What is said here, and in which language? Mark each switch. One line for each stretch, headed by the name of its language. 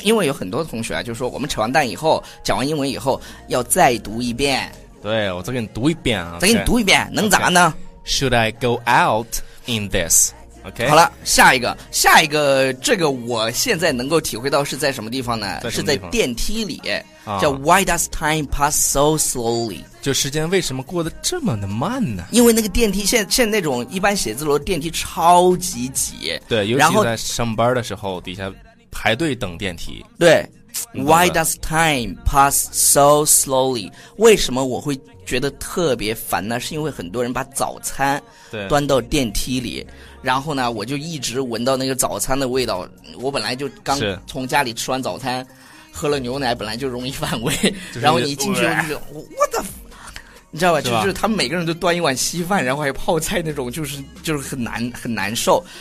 Chinese: 因为有很多同学啊，就是说我们扯完蛋以后，讲完英文以后，要再读一遍。对，我再给你读一遍啊。再给你读一遍，能咋呢？
English: Should I go out in this? Okay.
Chinese: 好了，下一个，这个我现在能够体会到是在什么地方呢？是在电梯里，啊，叫
English: Why does time pass so slowly?
Chinese: 就时间为什么过得这么的慢呢？因为那个电梯现在那种一般写字楼电梯超级挤，对，尤其在上班的时候底下排队等电梯。对
English: ，Why does time pass so slowly?
Chinese: 为什么我会觉得特别烦呢？是因为很多人把早餐端到电梯里。然后呢，我就一直闻到那个早餐的味道。我本来就刚从家里吃完早餐，喝了牛奶，本来就容易反胃。就是，然后你一进去，我的，你知道吧？就是他们每个人都端一碗稀饭，然后还有泡菜那种，就是很难受。